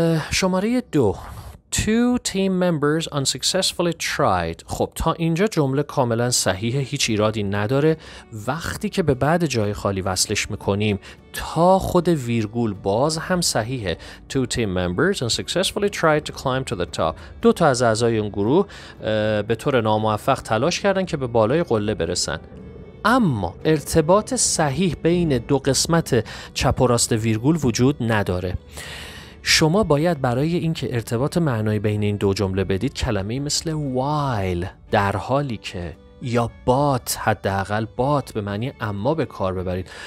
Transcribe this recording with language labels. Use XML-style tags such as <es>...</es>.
<fa>شماره 2</fa> <en>two team members unsuccessfully tried.</en> <fa>خب تا اینجا جمله کاملا صحیحه، هیچ ایرادی نداره. وقتی که به بعد جای خالی وصلش میکنیم تا خود ویرگول باز هم صحیحه.</fa> <en>Two team members unsuccessfully tried to climb to the top.</en> <fa>دو تا از اعضای اون گروه به طور ناموفق تلاش کردن که به بالای قله برسن. اما ارتباط صحیح بین دو قسمت چپ و راست ویرگول وجود نداره. شما باید برای اینکه ارتباط معنایی بین این دو جمله بدید کلمه‌ای مثل while در حالی که یا but حداقل but به معنی اما به کار ببرید.</fa>